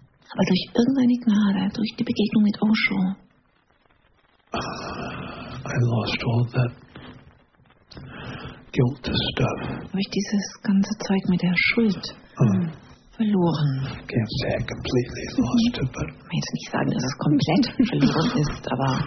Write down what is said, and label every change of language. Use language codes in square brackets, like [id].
[de] Aber durch irgendeine Gnade, durch die Begegnung mit Osho. [en] I lost all that guilt stuff. [de] Habe ich dieses ganze Zeug mit der Schuld verloren. [en] I can't say I completely lost it, but. [de] Ich will nicht sagen, dass es komplett verloren ist, aber